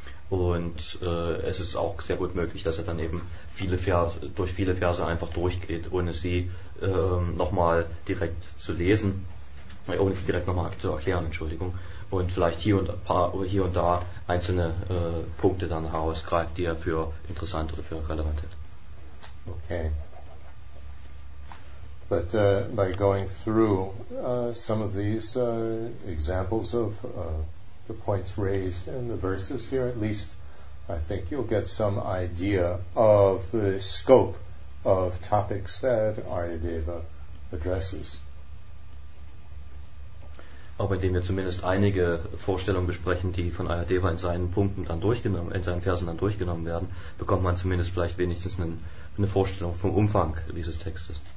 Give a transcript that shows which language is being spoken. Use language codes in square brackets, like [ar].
[de] Und es ist auch sehr gut möglich, dass er dann eben viele Verse einfach durchgeht, ohne sie nochmal direkt zu lesen, ohne sie direkt nochmal zu erklären, Entschuldigung. Und vielleicht hier und da einzelne Punkte dann herausgreift, die er für interessant oder für relevant hält. [en] Okay. But by going through some of these examples of the points raised in the verses here, at least I think you'll get some idea of the scope of topics that Aryadeva addresses. [de] aber indem wir zumindest einige Vorstellungen besprechen, die von Ayadeva in seinen Punkten dann durchgenommen, in seinen Versen dann durchgenommen werden, bekommt man zumindest vielleicht wenigstens eine Vorstellung vom Umfang dieses Textes.